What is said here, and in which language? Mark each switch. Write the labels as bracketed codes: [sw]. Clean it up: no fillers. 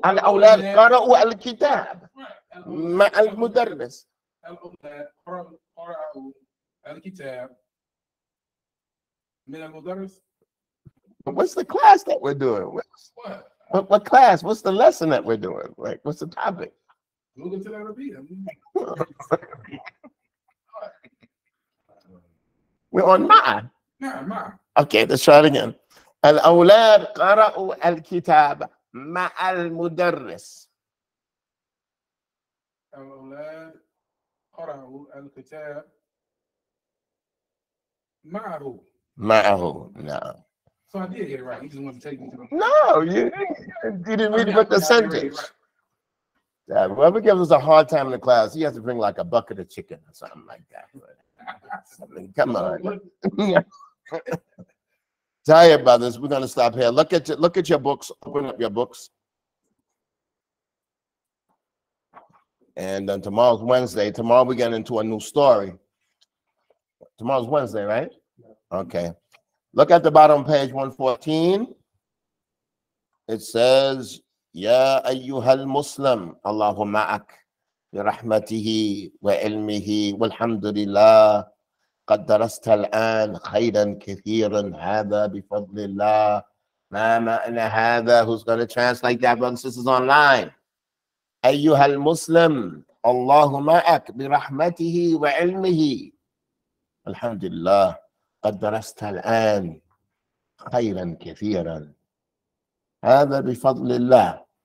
[ar] الأولاد قرأوا الكتاب مع المدرس. الأولاد قرأوا الكتاب من المدرس. [en] What's the class that we're doing? What class? What's the lesson that we're doing? Like, what's the topic? Moving to that repeat. We're on Ma. Yeah, Ma. Okay, let's try it again. [ar] الأولاد قرأوا الكتاب مع المدرس. الأولاد قرأوا الكتاب معه. معه. نعم. [en] So I did get it right. He just wanted to take me to the. No, you didn't read but the sentence. Right. Yeah, whoever gives us a hard time in the class, he has to bring like a bucket of chicken or something like that. Something. Come on. Tired brothers, we're gonna stop here. Look at your books. Open up your books. And then tomorrow's Wednesday. Tomorrow we get into a new story. Tomorrow's Wednesday, right? Okay. Look at the bottom page 114. It says, [ar] "Ya ayyuhal Muslim, Allahu ma'ak bi rahmatihi wa ilmihi walhamdulillah." قد درست الآن خيرا كثيرا هذا بفضل الله ما معنى هذا. [en] Who's going to translate that, brothers and sisters online? [ar] أيها المسلم الله معك برحمته وعلمه. الحمد لله قد درست الآن خيرا كثيرا هذا بفضل الله.